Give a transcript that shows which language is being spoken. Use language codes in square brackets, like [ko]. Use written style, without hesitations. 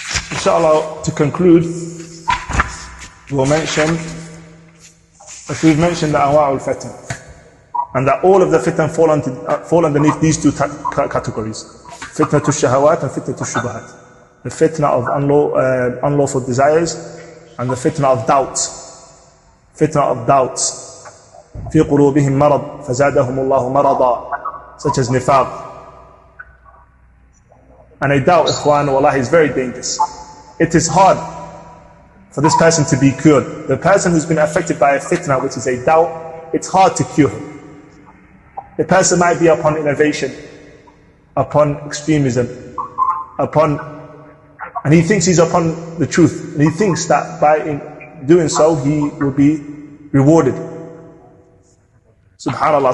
[en] Inshallah, to conclude, we've mentioned the anwa'ul fitan, and that all of the fitan fall underneath these two categories: fitna to shahawat and fitna to shubahat. The fitna of unlawful desires and the fitna of doubts. Fitna of doubts. [ar] فِي قُلُوبِهِمْ مَرَضْ فَزَادَهُمُ اللَّهُ مَرَضًا, [en] such as nifaq. And a doubt, ikhwan, wallah, is very dangerous. It is hard for this person to be cured. The person who's been affected by a fitna, which is a doubt, it's hard to cure him. The person might be upon innovation, upon extremism, and he thinks he's upon the truth, and he thinks that by doing so he will be rewarded. Subhanallah.